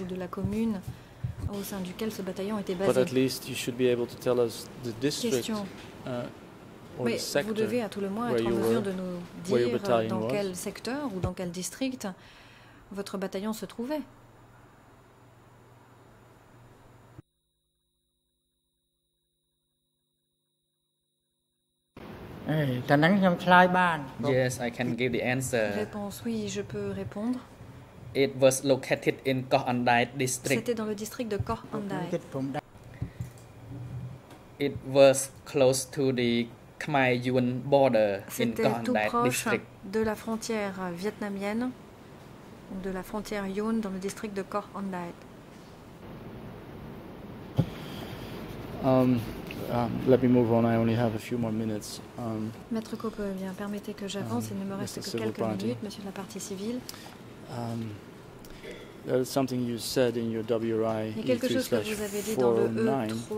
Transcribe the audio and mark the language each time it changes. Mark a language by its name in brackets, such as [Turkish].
[French] Ou de la commune au sein duquel ce bataillon était basé. [English] But at least you should be able to tell us the district or [French] mais [English] the sector [French] vous devez à tout le moins être en mesure de nous dire dans quel secteur ou dans quel district votre bataillon se trouvait. [English] Yes, I can give the answer. [French] Réponse, oui, je peux répondre. [English] It was located in Koh Andai district. [French] C'était dans le district de Koh Andai. [English] It was close to the Khmer Yuen border in Gan Dai district. [French] C'était tout proche de la frontière vietnamienne, de la frontière Yuen dans le district de Koh An Dai. [English] Let me move on. I only have a few more minutes. [French] Maître Coppe, bien, permettez que j'avance. Il ne me reste que quelques minutes, monsieur de la partie civile. [English] There is something you said in your WRI E3/409,